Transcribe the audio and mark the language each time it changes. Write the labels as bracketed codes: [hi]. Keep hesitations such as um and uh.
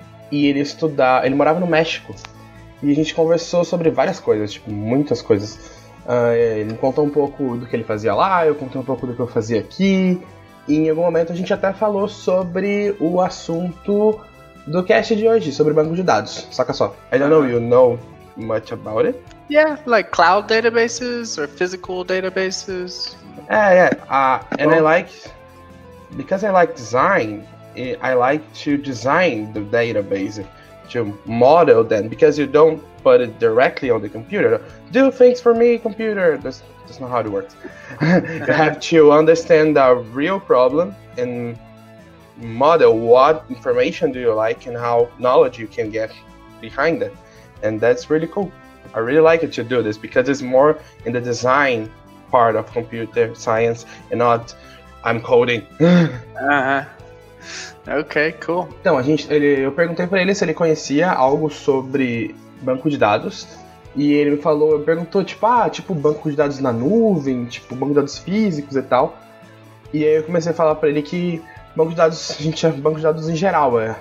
[pt] E ele estudava, ele morava no México. E a gente conversou sobre várias coisas, tipo, muitas coisas. Uh, ele me contou um pouco do que ele fazia lá, eu contei um pouco do que eu fazia aqui em algum momento a gente até falou sobre o assunto do cast de hoje, sobre o banco de dados. Saca só. [en] I don't know you know much about it. Yeah, like cloud databases or physical databases. É, yeah, yeah Uh, and well, I like. Because I like design, I like to design the database to model them. Because you don't put it directly on the computer. Do things for me, computer. This... that's not how it works. you have to understand the real problem and model what information do you like and how knowledge you can get behind it. That. And that's really cool. I really like it to do this because it's more in the design part of computer science and not I'm coding. uh -huh. Ok, cool. [pt] Então, a gente, ele, eu perguntei para ele se ele conhecia algo sobre banco de dados, E ele me falou, me perguntou, tipo, ah, tipo, banco de dados na nuvem, tipo, banco de dados físicos e tal. E aí eu comecei a falar para ele que banco de dados, a gente é banco de dados em geral, é. Né?